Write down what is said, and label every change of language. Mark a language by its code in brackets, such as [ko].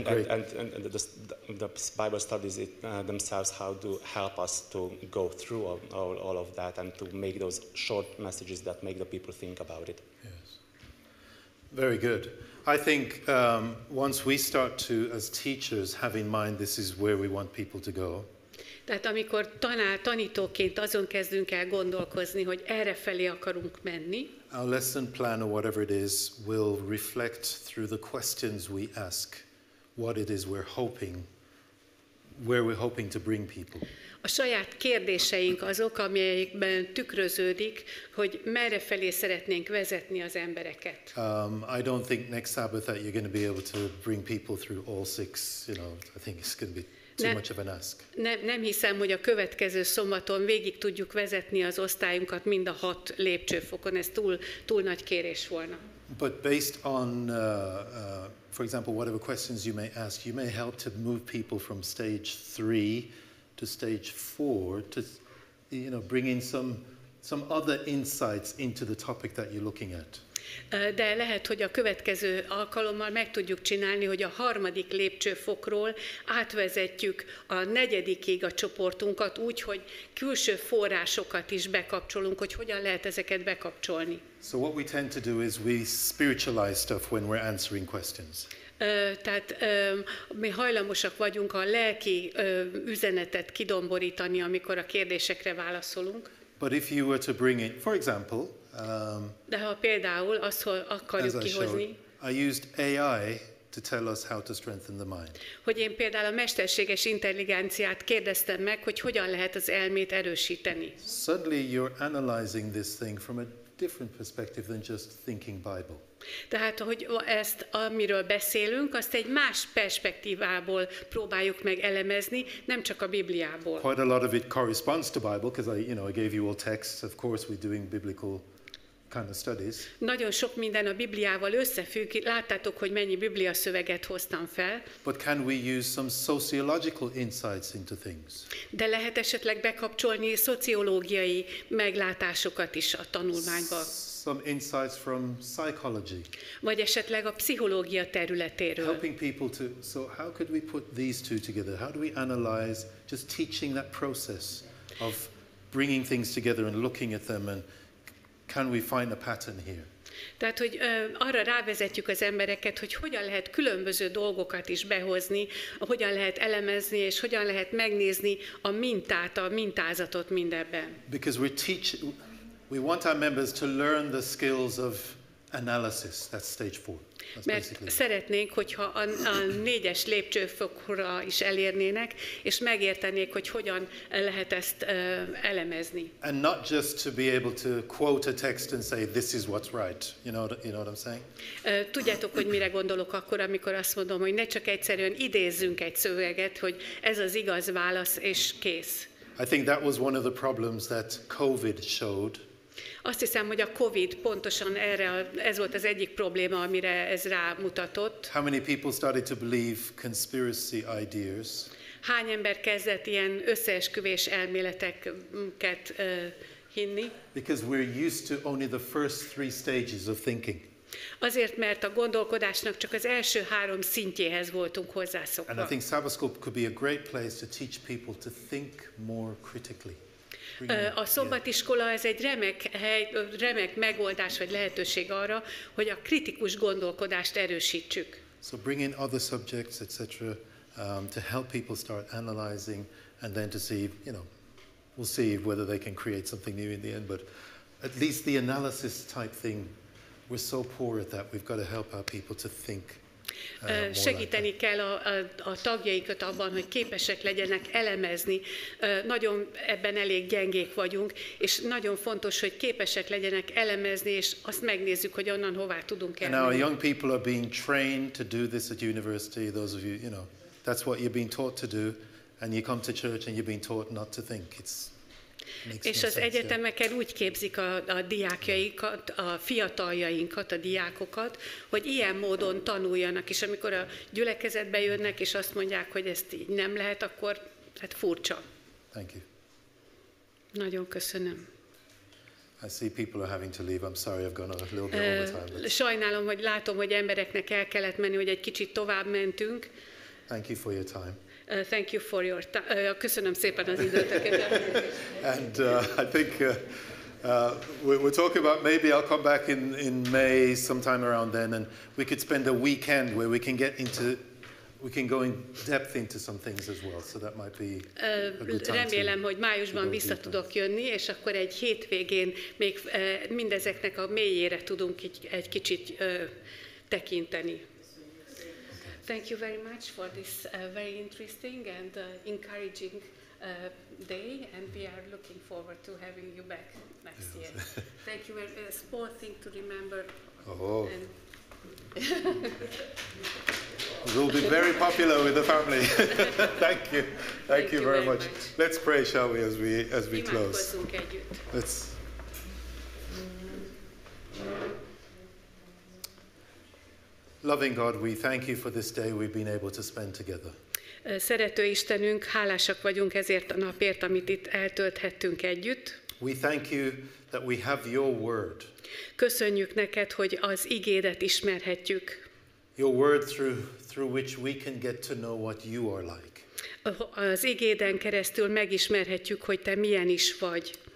[en] And the Bible studies it themselves, how to help us to go through all of that and to make those short messages that make the people think about it. Yes. Very good. I think once we start to, as teachers, have in mind this is where we want people to go. [hu] Tehát amikor tanítóként azon kezdünk el gondolkozni, hogy erre felé akarunk menni. [en] Our lesson plan or whatever it is will reflect through the questions we ask what it is we're hoping, where we're hoping to bring people. [hu] A saját kérdéseink azok, amelyekben tükröződik, hogy merre felé szeretnénk vezetni az embereket. [en] I don't think next Sabbath that you're going to be able to bring people through all six, you know, I think it's going to be too much of an ask. [hu] Nem hiszem, hogy a következő szombaton végig tudjuk vezetni az osztályunkat mind a hat lépcsőfokon, ez túl nagy kérés volna. [en] But based on for example, whatever questions you may ask, you may help to move people from stage 3 to stage 4 to, you know, bring in some other insights into the topic that you're looking at. [hu] De lehet, hogy a következő alkalommal meg tudjuk csinálni, hogy a harmadik lépcsőfokról átvezetjük a negyedikig a csoportunkat úgy, hogy külső forrásokat is bekapcsolunk, hogy hogyan lehet ezeket bekapcsolni. [en] So what we tend to do is we spiritualize stuff when we're answering questions. [hu] Tehát mi hajlamosak vagyunk a lelki üzenetet kidomborítani, amikor a kérdésekre válaszolunk. [en] But if you were to bring it, for example, [hu] de ha például azt akarjuk kihozni, [en] I used AI to tell us how to strengthen the mind. [hu] Hogy én például a mesterséges intelligenciát kérdeztem meg, hogy hogyan lehet az elmét erősíteni. [en] Suddenly you're analyzing this thing from a different perspective than just thinking Bible. [hu] Tehát, hogy ezt, amiről beszélünk, azt egy más perspektívából próbáljuk meg elemezni, nem csak a Bibliából. [en] Quite a lot of it corresponds to Bible, because I, you know, I gave you all texts. Of course, we're doing biblical kind of studies. [hu] Nagyon sok minden a Bibliával összefügg. Láttátok, hogy mennyi Biblia szöveget hoztam fel. [en] But can we use some sociological insights into things? [hu] De lehet esetleg bekapcsolni szociológiai meglátásokat is a tanulmányba. [en] Some insights from psychology. [hu] Vagy esetleg a pszichológia területéről. [en] Helping people to, so how could we put these two together? How do we analyze just teaching that process of bringing things together and looking at them and can we find a pattern here? [hu] Tehát, hogy arra rávezetjük az embereket, hogy hogyan lehet különböző dolgokat is behozni, hogyan lehet elemezni, és hogyan lehet megnézni a mintát, a mintázatot mindebben. [en] Because we teach, we want our members to learn the skills of analysis, that's stage 4. [hu] Mert szeretnénk, hogyha a négyes lépcsőfokra is elérnének, és megértenék, hogy hogyan lehet ezt elemezni. [en] And not just to be able to quote a text and say this is what's right. You know what I'm saying? [hu] Tudjátok, hogy mire gondolok akkor, amikor azt mondom, hogy ne csak egyszerűen idézzünk egy szöveget, hogy ez az igaz válasz és kész. [en] I think that was one of the problems that COVID showed. [hu] Azt hiszem, hogy a COVID pontosan erre, ez volt az egyik probléma, amire ez rámutatott. [en] How many people started to believe conspiracy ideas? [hu] Hány ember kezdett ilyen összeesküvés elméleteket hinni? [en] Because we're used to only the first three stages of thinking. [hu] Azért, mert a gondolkodásnak csak az első három szintjéhez voltunk hozzászokva. [en] And I think Sabbath school could be a great place to teach people to think more critically. [hu] A szombatiskola ez egy remek hely, remek megoldás vagy lehetőség arra, hogy a kritikus gondolkodást erősítsük. [en] So bring in other subjects, etc., to help people start analyzing and then to see, you know, we'll see whether they can create something new in the end, but at least the analysis type thing, we're so poor at that, we've got to help our people to think. [hu] Segíteni kell a tagjainkat abban, hogy képesek legyenek elemezni. Nagyon ebben elég gyengék vagyunk, és nagyon fontos, hogy képesek legyenek elemezni, és azt megnézzük, hogy onnan hová tudunk elmenni. [en] And now young people are being trained to do this at university, those of you, you know, that's what you're being taught to do, and you come to church and you're being taught not to think. It's [hu] És az egyetemeken úgy képzik a diákjaikat, a fiataljainkat, a diákokat, hogy ilyen módon tanuljanak, és amikor a gyülekezetbe jönnek, és azt mondják, hogy ezt így nem lehet, akkor hát furcsa. [en] Thank you. [hu] Nagyon köszönöm. [en] I see people are having to leave. I'm sorry, I've gone a little bit over time. [hu] Sajnálom, hogy látom, hogy embereknek el kellett menni, hogy egy kicsit tovább mentünk. [en] Thank you for your time. Thank you for your time. [hu] Köszönöm szépen az időteket. [en] And I think We'll talk about, maybe I'll come back in May sometime around then, and we could spend a weekend where we can get into, we can go in depth into some things as well, so that might be a good time. [hu] Remélem, hogy májusban vissza tudok jönni, és akkor egy hétvégén még mindezeknek a mélyére tudunk egy kicsit tekinteni. [en] Thank you very much for this very interesting and encouraging day, and we are looking forward to having you back next year. Thank you. A small thing to remember. It will be very popular with the family. Thank you. Thank you very much. Let's pray, shall we, as we close. Let's. Loving God, we thank you for this day we've been able to spend together. [hu] Szerető Istenünk, hálásak vagyunk ezért a napért, amit itt eltölthettünk együtt. [en] We thank you that we have your word. [hu] Köszönjük neked, hogy az igédet ismerhetjük. [en] Your word through which we can get to know what you are like. [hu] Az igéden keresztül megismerhetjük, hogy te milyen is vagy.